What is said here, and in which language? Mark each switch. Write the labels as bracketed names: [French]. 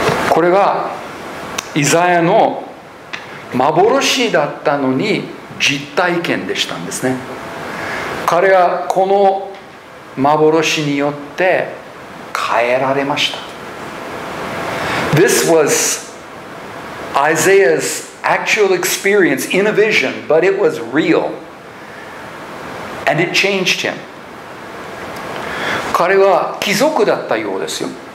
[Japanese] これがイザヤの幻だったのに実体験でしたんですね。彼はこの幻によって変えられました。 [English] This was Isaiah's actual experience in a vision, but it was real. And it changed him. [Japanese] 彼は貴族だったようですよ。